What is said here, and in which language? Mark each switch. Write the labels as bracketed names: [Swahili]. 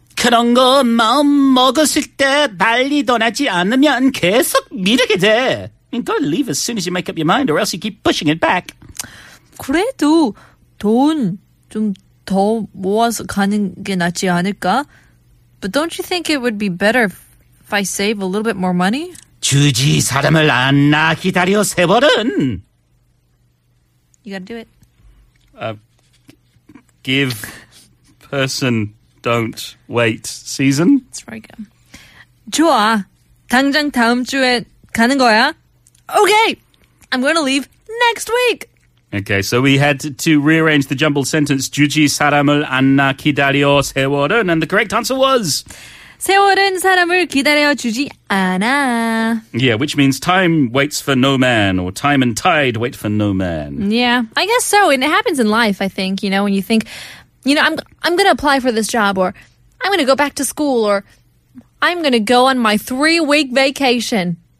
[Korean] 그런 거 마음 먹었을 때 빨리 떠나지 않으면 계속 미루게 돼. [English] You gotta leave as soon as you make up your mind or else you keep pushing it back. [Korean] 그래도 돈 좀 더 모아서 가는 게 낫지 않을까? [English] But don't you think it would be better if I save a little bit more money? [Korean] 주지 사람을 안 나 기다려 세월은. [English] You gotta do it. Give person don't wait season. That's very good. [Korean] 좋아. 당장 다음 주에 가는 거야. [English] Okay, I'm going to leave next week. Okay, so we had to rearrange the jumbled sentence [Korean] 주지 사람을 안나 기다려 세월은, [English] and the correct answer was [Korean] 세월은 사람을 기다려 주지 않아. [English] Yeah, which means time waits for no man, or time and tide wait for no man. Yeah, I guess so, and it happens in life, I think, you know, when you think, you know, I'm going to apply for this job, or I'm going to go back to school, or I'm going to go on my 3-week vacation.